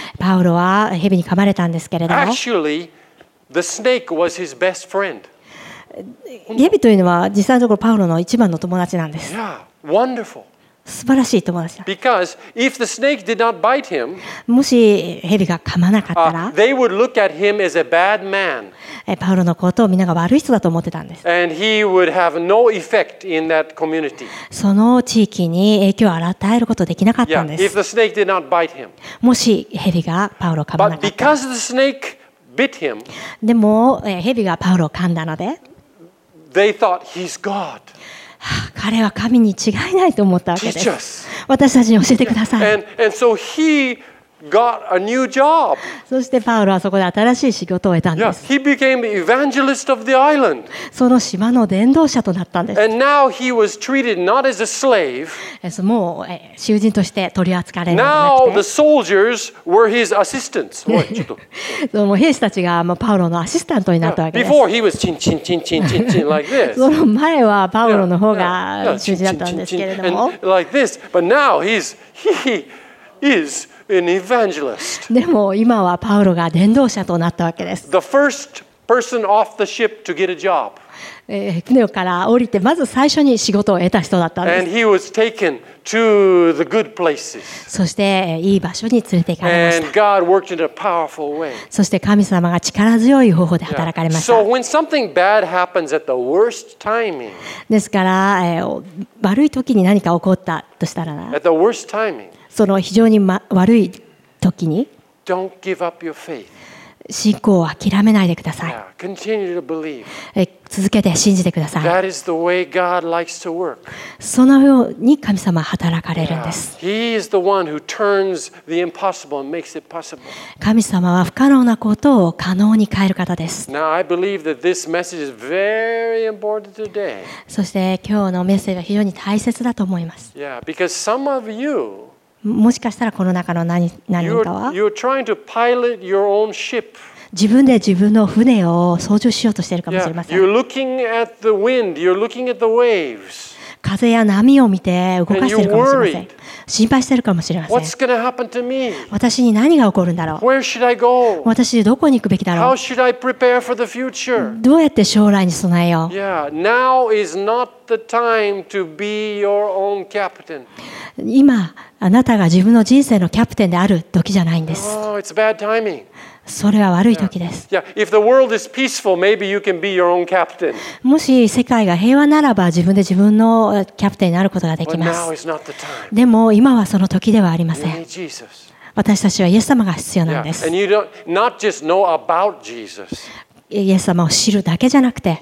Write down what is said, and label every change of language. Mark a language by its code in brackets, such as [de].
[ja] パウロは蛇に噛まれたんですけれども。 [en] Actually, the snake was his best friend. [ja] 蛇というのは実際のところパウロの一番の友達なんです。 [en] Yeah, wonderful. [ja] 素晴らしい友達だ。 [en] Because if the snake did not bite him, [ja] もし蛇が噛まなかったら、 [en] they would look at him as a bad man. [ja] パウロのことをみんなが悪い人だと思ってたんです。 [en] And he would have no effect in that community. [ja] その地域に影響を与えることできなかったんです。 [en] Yeah, if the snake did not bite him. [ja] もし蛇がパウロを噛まなかったら、 [en] but because the snake bit him, [ja] でも蛇がパウロを噛んだので、 [en] they thought he's God. [ja] 彼は神に違いないと思ったわけです。私たちに教えてください。 [en] And so he got a new job. [ja] そしてパウロはそこで新しい仕事を得たんです。 [en] Yeah, he became evangelist of the island. [ja] その島の伝道者となったんです。 [en] And now he was treated not as a slave. [ja] もう囚人として取り扱われるのではなくて。 [en] Now the soldiers were his assistants. [ja] ちょっと。もう兵士たちがもうパウロのアシスタントになったわけです。 [en] Before he was chin chin chin chin chin chin like this. [ja] その前はパウロの方が囚人だったんですけれども。 [en] Like this, but now he is an evangelist. [ja] でも今はパウロが伝道者となったわけです。 [en] The first person off the ship to get a job. [ja] 船から降りてまず最初に仕事を得た人だったんです。 [en] And he was taken to the good places. [ja] そしていい場所に連れて行かれました。 [en] And God worked in a powerful way. [ja] そして神様が力強い方法で働かれました。 [en] So when something bad happens at the worst timing. [ja] ですから悪い時に何か起こったとしたら。 [en] At the worst timing. [ja] その非常に、ま、悪い時に [en] Don't give up your faith. [ja] 信仰を諦めないでください。 [en] Yeah, continue to believe. [ja] 続けて信じてください。 [en] That is the way God likes to work. [ja] そのように神様は働かれるんです。 [en] Yeah. He is the one who turns the impossible and makes it possible. [ja] 神様は不可能なことを可能に変える方です。 [en] Now, I believe that this message is very important today. [ja] そして今日のメッセージは非常に大切だと思います。 [en] Yeah, because some of you, [ja] もしかしたらこの中の 何人かは自分で自分の船を操縦しようとしているかもしれません。 [en] You're looking at the wind, you're looking at the waves. [ja] 風や波を見て動かしているかもしれません。心配しているかもしれません。 [en] What's gonna happen to me? [ja] 私に何が起こるんだろう。 [en] Where should I go? [ja] 私どこに行くべきだろう。 [en] How should I prepare for the future? [ja] どうやって将来に備えよう。 [en] Yeah, now is not the time to be your own captain. [ja] 今あなたが自分の人生のキャプテンである時じゃないんです。 [en] Oh, it's bad timing. [ja] それは悪い時です。 [en] Yeah. Yeah. If the world is peaceful, maybe you can be your own captain. [ja] もし世界が平和ならば自分で自分のキャプテンになることができます。 [en] But now is not the time. [ja] でも今はその時ではありません。 [en] You need Jesus. [ja] 私たちはイエス様が必要なんです。 [en] Yeah. And you don't not just know about Jesus. [ja] イエス様を知るだけじゃなくて、